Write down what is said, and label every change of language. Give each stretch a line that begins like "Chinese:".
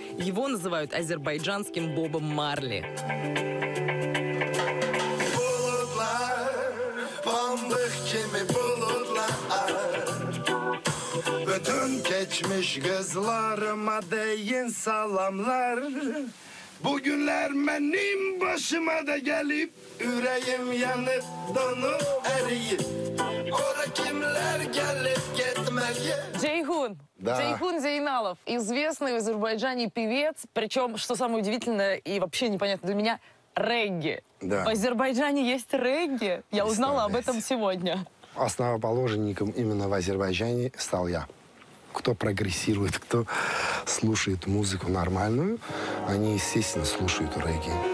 Russian: Его называют азербайджанским Бобом Марли.
Azerbaijani: Bugünler benim başıma da gelip yüreğim yanıp donup eriyip ora kimler gelip gitmeye.
Russian: Джейхун. Да. Джейхун Зейналов, известный в Азербайджане певец, причем, что самое удивительное и вообще непонятно для меня, регги. Да. В Азербайджане есть регги? Я узнала об этом сегодня. Основоположником именно в Азербайджане стал я. Кто прогрессирует, кто слушает музыку нормальную, они, естественно, слушают регги.